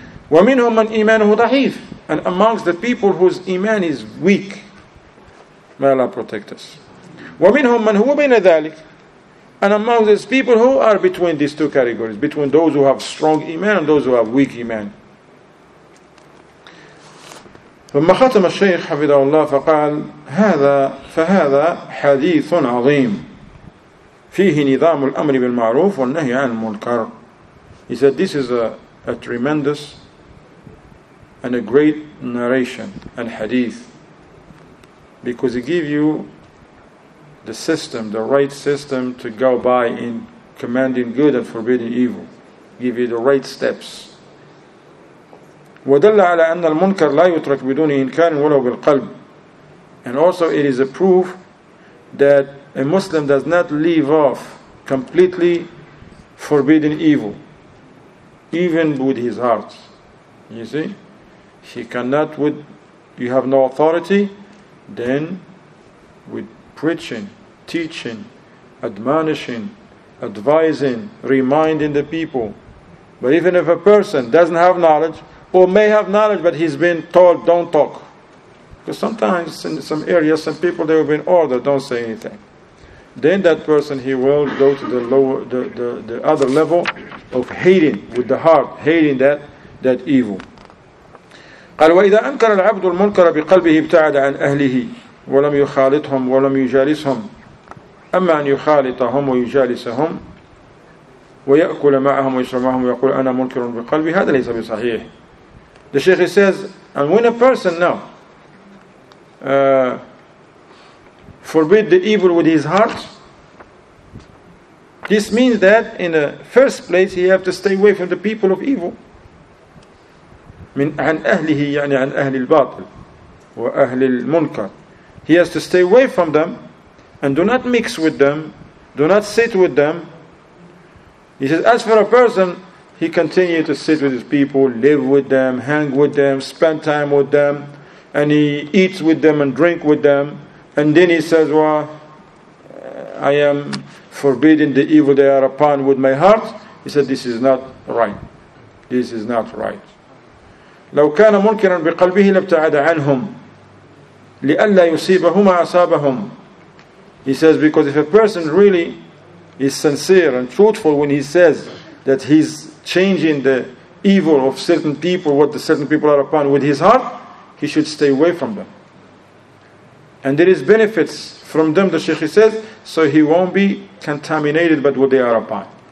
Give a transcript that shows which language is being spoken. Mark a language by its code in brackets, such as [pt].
[ar] وَمِنْهُمْ مَنْ إِيمَانُهُ ضَحِيفٌ. [en] And amongst the people whose iman is weak, may Allah protect us. [ar] وَمِنْهُمْ مَنْ هُوَ بَيْنَ ذَلِكَ. [en] And amongst these people who are between these two categories, between those who have strong iman and those who have weak iman. [ar] لما ختم الشيخ حفظه الله فقال هذا فهذا حديث عظيم فيه نظام الأمر بالمعروف والنهي عن المنكر. [en] He said this is a tremendous and a great narration and hadith, because it gives you the system, the right system to go by in commanding good and forbidding evil. Give you the right steps. ودل على أن المنكر لا يترك بدون إنكار ولو بالقلب. And also it is a proof that a Muslim does not leave off completely forbidden evil, even with his heart. You see? He cannot with, you have no authority, then with preaching, teaching, admonishing, advising, reminding the people. But even if a person doesn't have knowledge, or may have knowledge, but he's been told, don't talk. Because sometimes in some areas, some people, they will be in order, don't say anything. Then that person, he will go to the lower, the other level of hating with the heart, hating that evil. [ar] قال وإذا أنكر العبد المنكر بقلبه ابتعد عن أهله ولم يخالطهم ولم يجالسهم أما أن يخالطهم ويجالسهم ويأكل معهم ويشرب معهم ويقول أنا منكر بقلبي هذا ليس بصحيح. [en] The Sheikh says, and when a person now forbid the evil with his heart, this means that in the first place he have to stay away from the people of evil. [ar] من عن أهله يعني عن أهل الباطل وأهل المنكر. [en] He has to stay away from them and do not mix with them, do not sit with them. He says, as for a person, he continued to sit with his people, live with them, hang with them, spend time with them, and he eats with them and drink with them. And then he says, well, I am forbidding the evil they are upon with my heart. He said, this is not right. This is not right. [ar] لو كان منكرا بقلبه لابتعد عنهم لئلا يصيبهما أصابهم. [en] He says, because if a person really is sincere and truthful when he says that he's changing the evil of certain people, what the certain people are upon with his heart, he should stay away from them. And there is benefits from them, the Sheikh says, so he won't be contaminated by what they are upon.